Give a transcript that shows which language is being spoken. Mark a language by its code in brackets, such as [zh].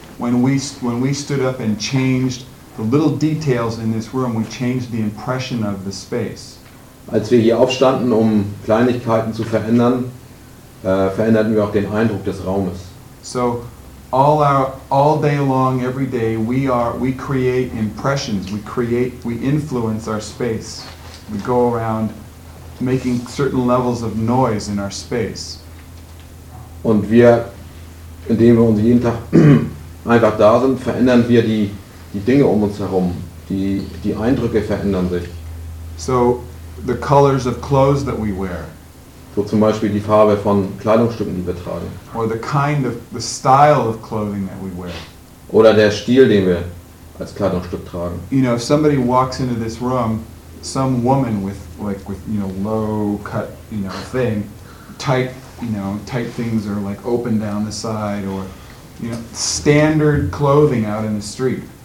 [en] When we stood up and changed the little details in this room, we changed the impression of the space. [de] Als wir hier aufstanden, um Kleinigkeiten zu verändern, veränderten wir auch den Eindruck des Raumes. [en] So all day long, every day, we create impressions. We influence our space. We go around making certain levels of noise in our space. [de] Und wir, indem wir uns jeden Tag einfach da sind, verändern wir die Dinge um uns herum. Die Eindrücke verändern sich. [en] So the colors of clothes that we wear. [de] So zum Beispiel die Farbe von Kleidungsstücken, die wir tragen. [en] Or the kind of the style of clothing that we wear. [de] Oder der Stil, den wir als Kleidungsstück tragen. [en] You know, if somebody walks into this room, some woman with low cut, you know, thing, tight things are like open down the side, or you know, standard clothing out in the street.